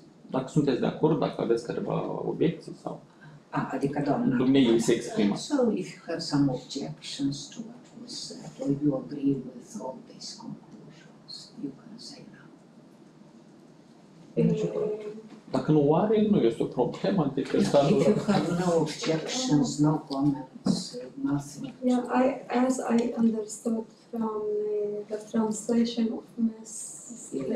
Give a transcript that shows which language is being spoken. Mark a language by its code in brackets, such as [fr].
[ro] Dacă sunteți de acord, dacă aveți careva obiecții sau... Adică doamna. Dumnezeu se exprimă. [en] So, if you have some objections to what was said, or you agree with all these conclusions, you can say no. Dacă nu are, nu este o problemă. If you have no objections, no comments, nothing. As I understood from the translation of Ms.